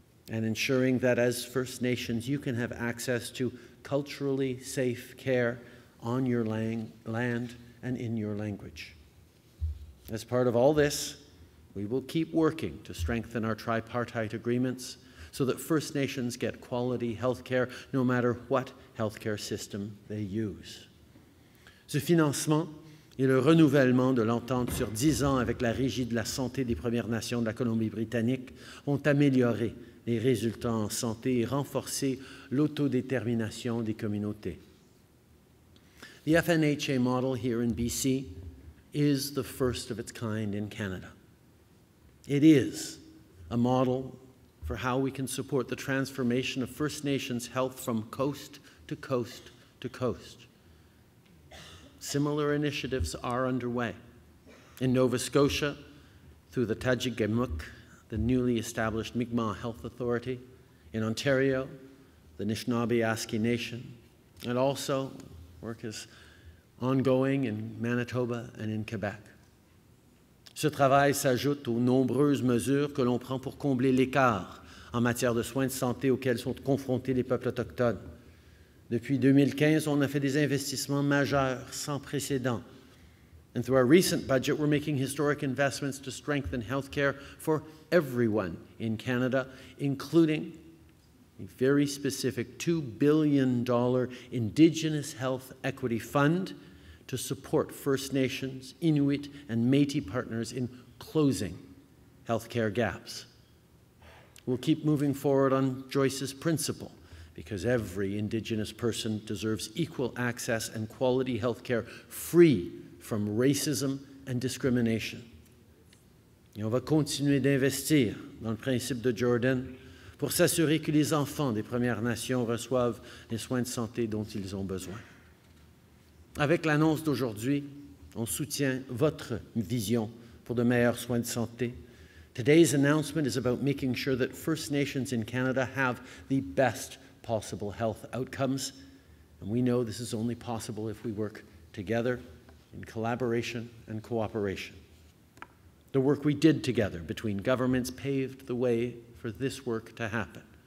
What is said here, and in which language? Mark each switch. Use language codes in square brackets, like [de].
[en] and ensuring that as First Nations, you can have access to culturally safe care on your land and in your language. As part of all this, we will keep working to strengthen our tripartite agreements so that First Nations get quality health care no matter what health care system they use. [fr] Ce financement et le renouvellement de l'entente sur 10 ans avec la Régie de la santé des Premières Nations de la Colombie-Britannique ont amélioré les résultats en santé et renforcé l'autodétermination des communautés. [en] The FNHA model here in BC is the first of its kind in Canada. It is a model for how we can support the transformation of First Nations health from coast to coast to coast. Similar initiatives are underway. In Nova Scotia, through the Tajigamuk, the newly established Mi'kmaq Health Authority. In Ontario, the Anishinaabe Aski Nation. And also, work is ongoing in Manitoba and in Quebec. [fr] Ce travail s'ajoute aux nombreuses mesures que l'on prend pour combler l'écart en matière de soins de santé auxquels sont confrontés les peuples autochtones. Depuis 2015, on a fait des investissements majeurs sans précédent. [en] And through our recent budget, we're making historic investments to strengthen healthcare for everyone in Canada, including a very specific $2 billion Indigenous Health Equity Fund to support First Nations, Inuit, and Métis partners in closing healthcare gaps. We'll keep moving forward on Joyce's principle, because every Indigenous person deserves equal access and quality health care free from racism and discrimination. [fr] Et on va continuer d'investir dans le principe de Jordan pour s'assurer que les enfants des Premières Nations reçoivent les soins de santé dont ils ont besoin. Avec l'annonce d'aujourd'hui, on soutient votre vision pour de meilleurs soins de santé. [en] Today's announcement is about making sure that First Nations in Canada have the best possible health outcomes, and we know this is only possible if we work together in collaboration and cooperation. The work we did together between governments paved the way for this work to happen.